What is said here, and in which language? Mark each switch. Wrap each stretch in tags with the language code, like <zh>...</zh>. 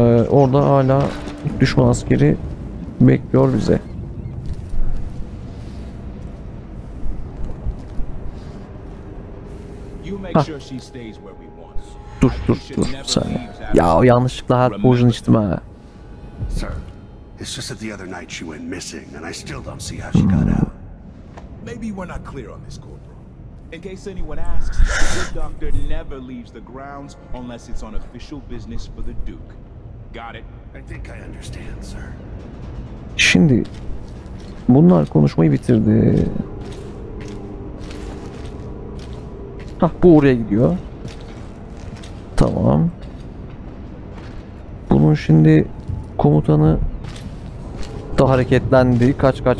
<tr>Orada hala düşman askeri bekliyor bize. Heh. Dur. Sen. Ya yanlışlıkla her kurşun içtim ha.</tr> <en>It's just that the other night she went missing, and I still don't see how she got out. Maybe we're not clear on this, Corporal. In case anyone asks, the doctor never leaves the grounds unless it's on official business for the Duke. Got it? I think I understand, sir.</en> <tr>Şimdi bunlar konuşmayı bitirdi. Hah, bu oraya gidiyor. Tamam. Bunun şimdi komutanı da hareketlendi. Kaç.</tr>